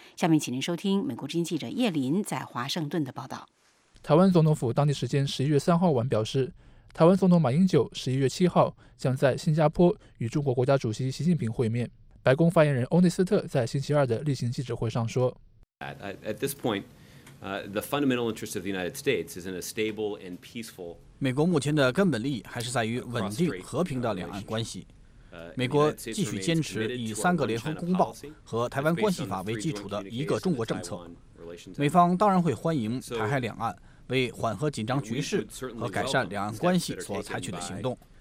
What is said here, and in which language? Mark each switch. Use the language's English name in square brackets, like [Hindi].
[Chinese] 下面请您收听美国之音记者叶林在华盛顿的报道。台湾总统府当地时间11月3号晚表示，台湾总统马英九11月7号将在新加坡与中国国家主席习近平会面。白宫发言人欧内斯特在星期二的例行记者会上说 [English] At this point,the fundamental interest of the United States is in a stable and peaceful. [Chinese] 美国目前的根本利益还是在于稳定和平的两岸关系。美国继续坚持以三个联合公报和台湾关系法为基础的一个中国政策。美方当然会欢迎台海两岸为缓和紧张局势和改善两岸关系所采取的行动。